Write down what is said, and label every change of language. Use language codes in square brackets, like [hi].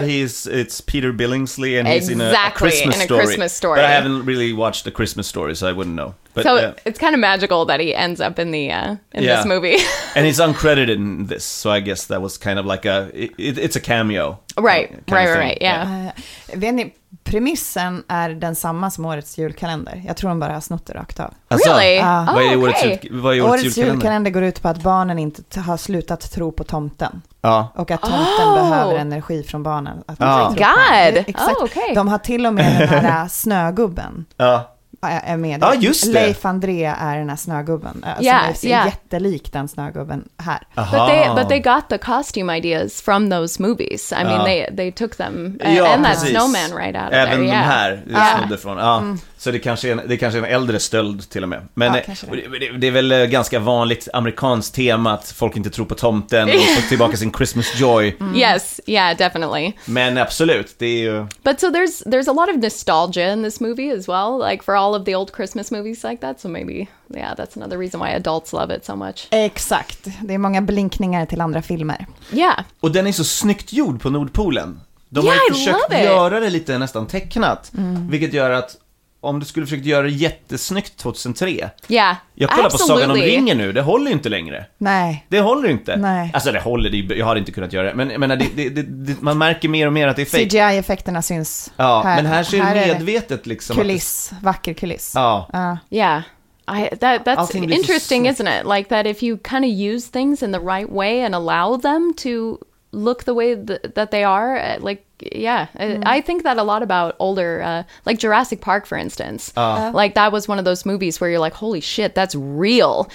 [en] That it's Peter Billingsley and exactly, he's in a Christmas story. Exactly, in a Christmas story. But I haven't really watched the Christmas story, so I wouldn't know. But, so it's kind of magical that he ends up in the this movie. And he's uncredited in this, so I guess that was kind of like it's a cameo. Right, yeah. [sv] Vet ni, premissen är densamma som årets julkalender. Jag tror de bara har snott det rakt av. [en] Really? [sv] Årets julkalender går ut på att barnen inte har slutat tro på tomten. Ja. Och att tomten behöver energi från barnen. [en] Oh god! Exakt. Oh, okay. [sv] De har till och med den här snögubben. Ja. Är med. Ja, just det. Leif André är den här snögubben. Som är jättelik den snögubben här. [en] But they got the costume ideas from those movies. I mean, they took them. [sv] Ja, [en] and [sv] precis. [en] That snowman right out of [sv] Även [en] there. [sv] De här snodde från. Ja. Mm. Så det kanske är en äldre stöld till och med. Men det är väl ganska vanligt amerikanskt tema att folk inte tror på tomten och får tillbaka sin [en] Christmas joy. Mm. Yes, yeah, definitely. [sv] Men absolut, det är ju... [en] But so there's a lot of nostalgia in this movie as well, like for all of the old Christmas movies like that, so maybe, yeah, that's another reason why adults love it so much. [sv] Exakt, det är många blinkningar till andra filmer. [en] Yeah. [sv] Och den är så snyggt gjord på Nordpolen. De har försökt göra det lite nästan tecknat, vilket gör att om du skulle försöka göra det jättesnyggt 2003. [en] Yeah, [sv] jag kollar [en] absolutely. [sv] På Sagan om ringen nu. Det håller inte längre. Nej. Det håller inte. Nej. Alltså det håller. Jag har inte kunnat göra det. Men jag menar, det, man märker mer och mer att det är fake. CGI-effekterna syns här. Men här ser du medvetet liksom. Kuliss. Att... Vacker kuliss. Ja. [en] Yeah. That's interesting, isn't it? Like that if you kind of use things in the right way and allow them to look the way that they are, like, yeah, I think that a lot about older, like Jurassic Park, for instance. Like that was one of those movies where you're like, holy shit, that's real.